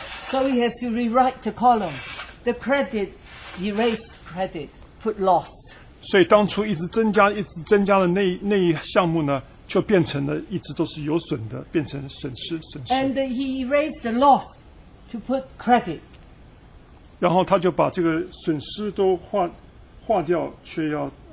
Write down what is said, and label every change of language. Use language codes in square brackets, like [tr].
[en] So he has to rewrite the column, the credit erased credit, put loss. [zh] 所以当初一直增加的那一项目呢, 就变成了一直都是有损的, 变成损失。 [en] And he erased the loss to put credit. [zh] 然后他就把这个损失都划掉, 却要,